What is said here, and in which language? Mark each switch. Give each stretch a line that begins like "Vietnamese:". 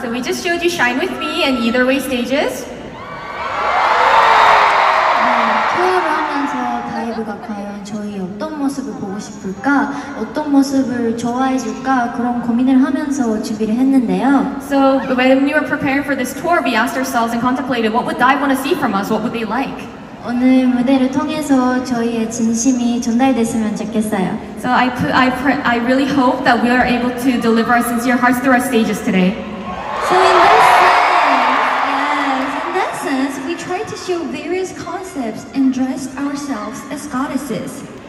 English: So we just showed you Shine With Me and Either Way stages.
Korean: 과연 저희 어떤 모습을 보고 싶을까, 어떤 모습을 좋아해 줄까 그런 고민을 하면서 준비를 했는데요.
English: So when we were preparing for this tour, we asked ourselves and contemplated what would Dive want to see from us, what would they like?
Korean: 오늘 무대를 통해서 저희의 진심이 전달됐으면 좋겠어요.
English: So I really hope that we are able to deliver our sincere hearts through our stages today. So in that sense, yes, in that sense, we tried to show various concepts and dressed ourselves as goddesses.